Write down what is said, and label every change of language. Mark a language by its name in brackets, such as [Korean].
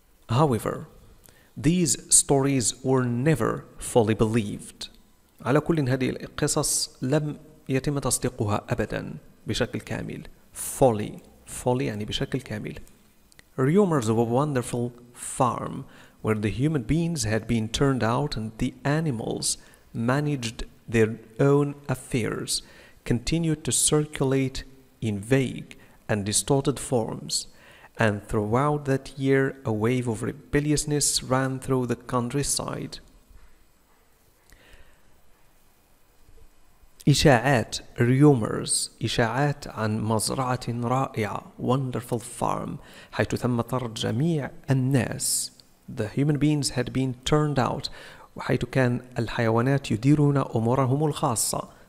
[English] However, these stories were never fully believed. [Arabic] على كل، هذه القصص لم يتم تصديقها أبدا بشكل كامل. Fully يعني بشكل كامل. [English] Rumors of a wonderful farm where the human beings had been turned out and the animals managed their own affairs continued to circulate in vague and distorted forms, and throughout that year a wave of rebelliousness ran through the countryside. [Arabic] إشاعات, rumors, إشاعات عن مزرعة رائعة, [English] wonderful farm, [Arabic] حيث تم طرد جميع الناس. [English] The human beings had been turned out, [Arabic] وحيث كان الحيوانات يديرون أمورهم الخاصة.